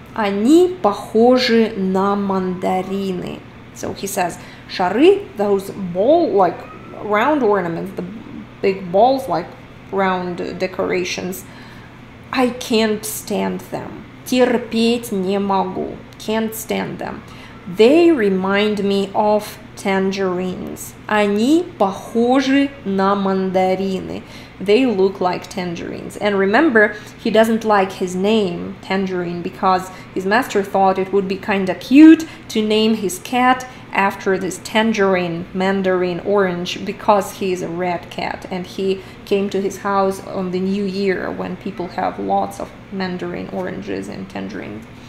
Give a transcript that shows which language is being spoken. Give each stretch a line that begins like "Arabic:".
Russian: Они похожи на мандарины.
English: So he says, шары, those ball, like round ornaments, the big balls, like round decorations, I can't stand them.
Russian: Терпеть не могу.
English: Can't stand them. They remind me of tangerines.
Russian: Они похожи на мандарины.
English: They look like tangerines. And remember, he doesn't like his name, Tangerine, because his master thought it would be kind of cute to name his cat after this tangerine, mandarin, orange, because he is a red cat. And he came to his house on the new year when people have lots of mandarin oranges and tangerines.